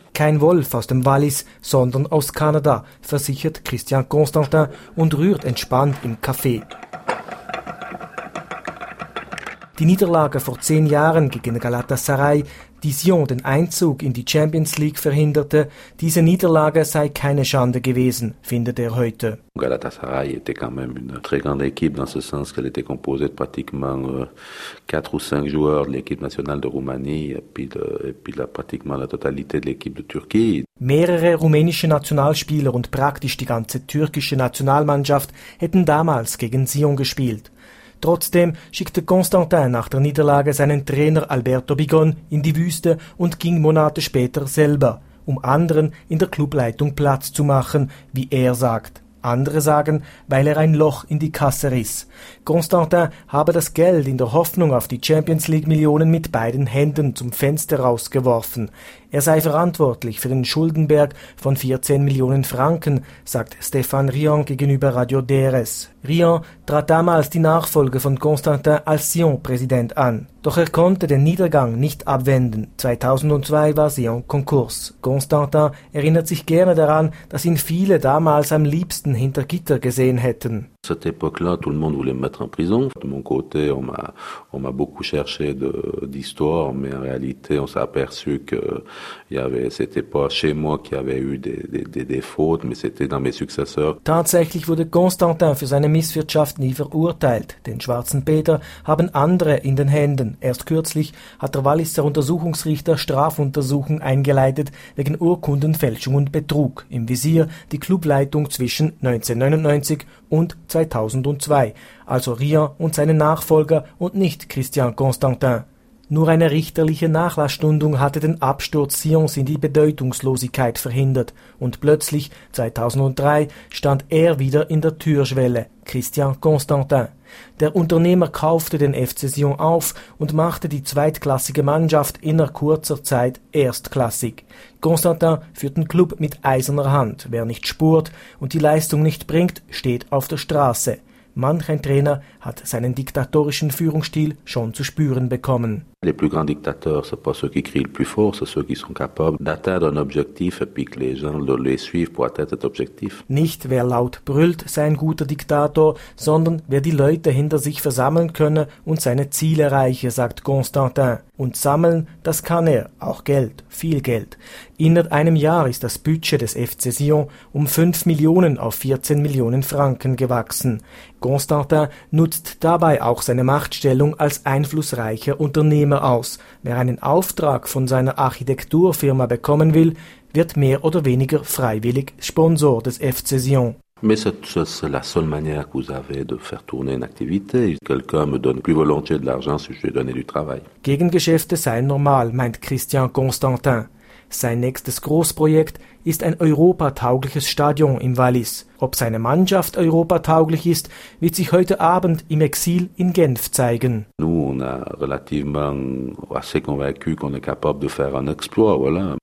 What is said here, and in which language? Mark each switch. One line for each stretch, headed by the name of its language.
German: Kein Wolf aus dem Wallis, sondern aus Kanada, versichert Christian Constantin und rührt entspannt im Café. Die Niederlage vor 10 Jahren gegen Galatasaray, die Sion den Einzug in die Champions League verhinderte, diese Niederlage sei keine Schande gewesen, findet er heute.
French: Galatasaray était quand même une très grande équipe dans ce sens qu'elle était composée de pratiquement 4 ou 5 joueurs de l'équipe nationale de Roumanie et puis la pratiquement la totalité de l'équipe de Turquie.
German: Mehrere rumänische Nationalspieler und praktisch die ganze türkische Nationalmannschaft hätten damals gegen Sion gespielt. Trotzdem schickte Constantin nach der Niederlage seinen Trainer Alberto Bigon in die Wüste und ging Monate später selber, um anderen in der Clubleitung Platz zu machen, wie er sagt. Andere sagen, weil er ein Loch in die Kasse riss. Constantin habe das Geld in der Hoffnung auf die Champions League Millionen mit beiden Händen zum Fenster rausgeworfen. Er sei verantwortlich für den Schuldenberg von 14 Millionen Franken, sagt Stéphane Rion gegenüber Radio DRS. Rion trat damals die Nachfolge von Constantin als Sion-Präsident an. Doch er konnte den Niedergang nicht abwenden. 2002 war Sion Konkurs. Constantin erinnert sich gerne daran, dass ihn viele damals am liebsten hinter Gitter gesehen hätten.
French: cette époque-là, tout le monde voulait me mettre en prison. De mon côté, on m'a beaucoup cherché d'histoire, mais en réalité, on s'est aperçu que c'était pas chez moi qu'il y avait eu des fautes, mais c'était dans mes successeurs.
German: Tatsächlich wurde Constantin für seine Misswirtschaft nie verurteilt. Den schwarzen Peter haben andere in den Händen. Erst kürzlich hat der Walliser Untersuchungsrichter Strafuntersuchung eingeleitet wegen Urkundenfälschung und Betrug. Im Visier die Clubleitung zwischen 1999 und 2002, also Rian und seine Nachfolger und nicht Christian Constantin. Nur eine richterliche Nachlassstundung hatte den Absturz Sions in die Bedeutungslosigkeit verhindert. Und plötzlich, 2003, stand er wieder in der Türschwelle, Christian Constantin. Der Unternehmer kaufte den FC Sion auf und machte die zweitklassige Mannschaft inner kurzer Zeit erstklassig. Constantin führt den Club mit eiserner Hand. Wer nicht spurt und die Leistung nicht bringt, steht auf der Straße. Manch ein Trainer hat seinen diktatorischen Führungsstil schon zu spüren bekommen.
French: Les plus grands dictateurs, c'est pas ceux qui crient le plus fort, c'est ceux qui sont capables d'atteindre un objectif et puis que les gens le suivent pour atteindre cet objectif.
German: Nicht wer laut brüllt, sei ein guter Diktator, sondern wer die Leute hinter sich versammeln könne und seine Ziele erreiche, sagt Constantin. Und sammeln, das kann er, auch Geld, viel Geld. Innerhalb einem Jahr ist das Budget des FC Sion um 5 Millionen auf 14 Millionen Franken gewachsen. Constantin nutzt dabei auch seine Machtstellung als einflussreicher Unternehmer aus. Wer einen Auftrag von seiner Architekturfirma bekommen will, wird mehr oder weniger freiwillig Sponsor des FC Sion.
French: Mais c'est la seule manière que vous avez de faire tourner une activité. Quelqu'un me donne plus volontiers de l'argent si je lui donne du travail.
German: Gegengeschäfte seien normal, meint Christian Constantin. Sein nächstes Großprojekt ist ein europataugliches Stadion im Wallis. Ob seine Mannschaft europatauglich ist, wird sich heute Abend im Exil in Genf zeigen.
French: Nous, on a relativement assez convaincu qu'on est capable de faire un exploit, voilà.